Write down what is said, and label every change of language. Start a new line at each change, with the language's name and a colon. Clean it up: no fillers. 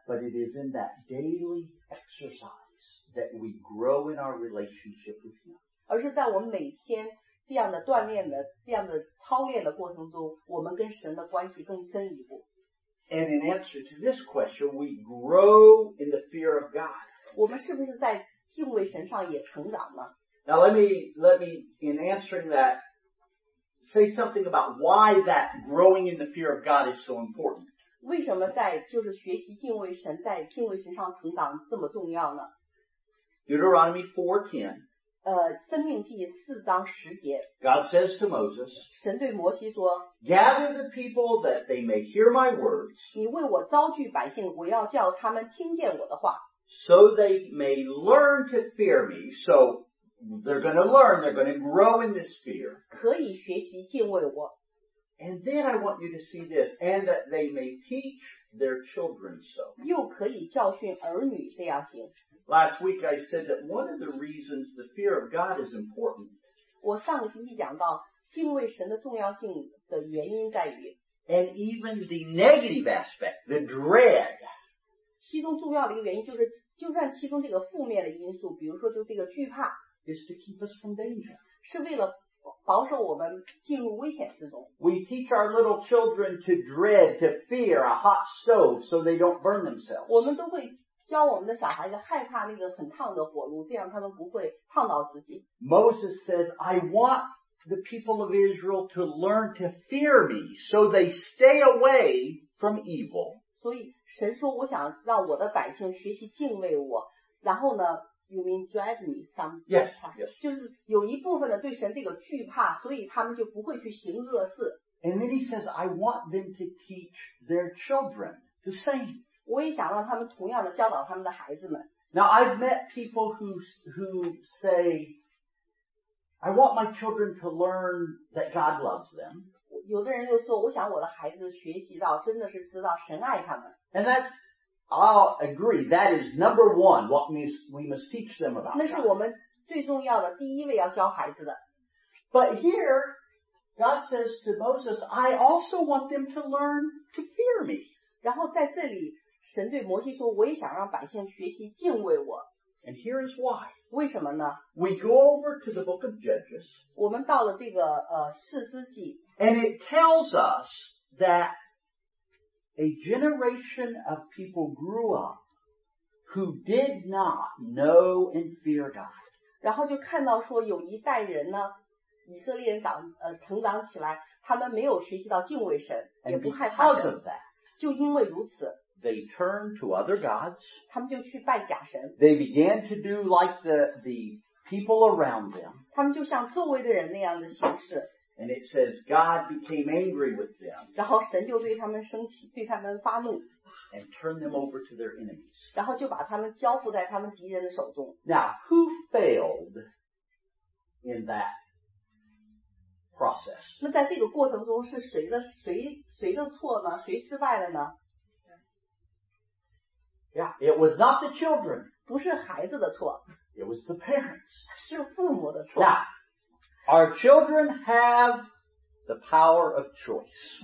English: But it is in that daily exercise that we grow in our relationship with Him.
Chinese: 而是在我们每天这样的锻炼的这样的操练的过程中我们跟神的关系更深一步。
English: And in answer to this question, we grow in the fear of God.
Chinese: 我们是不是在敬畏神上也成长了
English: Now let me, in answering that, say something about why that growing in the fear of God is so important.
Chinese: 为什么在就是学习敬畏神在敬畏神上成长这么重要呢
English: Deuteronomy 4:10
Chinese: 生命记四章十节
English: God says to Moses,
Chinese: 神对摩西说
English: Gather the people that they may hear my words,
Chinese: 你为我招聚百姓我要叫他们听见我的话
English: So they may learn to fear me, so they're going to learn, they're going to grow in this fear.
Chinese: 可以学习敬畏我
English: And then I want you to see this, and that they may teach their children so.
Chinese: 又可以教训儿女这样行
English: Last week I said that one of the reasons the fear of God is important.
Chinese: 我上个星期讲到敬畏神的重要性的原因在于
English: And even the negative aspect, the dread.
Chinese: 其中重要的一个原因就是就算其中这个负面的因素比如说就这个惧怕
English: is to keep us from danger.
Chinese: 是为了保守我们进入危险之中
English: We teach our little children to dread, to fear a hot stove so they don't burn themselves.
Chinese: 我们都会教我们的小孩子害怕那个很烫的火炉这样他们不会烫到自己
English: Moses says I want the people of Israel to learn to fear me so they stay away from evil
Chinese: 所以神说我想让我的百姓学习敬畏我然后呢
English: You mean dread me some yes, yes.
Chinese: 就是有一部分的对神这个惧怕所以他们就不会去行恶事
English: And then he says I want them to teach their children the same
Chinese: 我也想让他们同样的教导他们的孩子们。
English: Now I've met people who say, I want my children to learn that God loves them.
Chinese: 有的人就说, 我想我的孩子学习到真的是知道神爱他们。
English: And that's, I'll agree, that is number one, what we must teach them about.
Chinese: 那是我们最重要的第一位要教孩子的。
English: But here, God says to Moses, I also want them to learn to fear me.
Chinese: 然后在这里, 神对摩西说, 我也想让百姓学习敬畏我。
English: And here is why.
Chinese: 为什么呢?
English: We go over to the book of Judges.
Chinese: 我们到了这个, 士师记,
English: and it tells us that a generation of people grew up who did not know and fear God.
Chinese: 然后就看到说有一代人呢, 以色列人长, 成长起来, 他们没有学习到敬畏神,
English: and
Chinese: 也不害怕神,
English: because of that,
Chinese: 就因为如此,
English: they turned to other gods.
Chinese: 他们就去拜假神,
English: they began to do like the people around them.
Chinese: 他们就像周围的人那样的形式,
English: and it says God became angry with them.
Chinese: 然后神就对他们生气, 对他们发怒,
English: and turned them over to their enemies.
Chinese: 然后就把他们交付在他们敌人的手中。
English: Now, who failed in that process?
Chinese: 那在这个过程中是谁的错呢? 谁失败了呢?
English: Yeah, it was not the children.
Chinese: 不是孩子的错,
English: it was the parents.
Chinese: 是父母的错。
English: Now, our children have the power of choice.